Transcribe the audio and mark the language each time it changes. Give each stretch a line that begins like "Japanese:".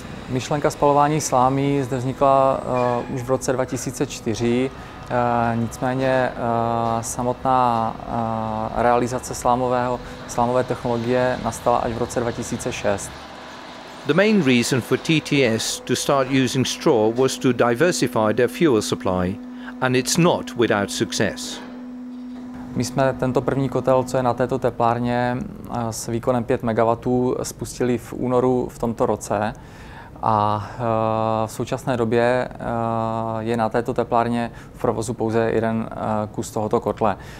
Czech: Myšlenka spalování slámy zde vznikla už v roce 2004, nicméně samotná realizace slámové technologie nastala až v roce 2006.
English: The main reason for TTS to start using straw was to diversify their fuel supply, and it's not without success.
Czech: My jsme tento první kotel, co je na této teplárně, s výkonem 5 MW spustili v únoru v tomto roce. A v současné době je na této teplárně v provozu pouze jeden kus tohoto kotle.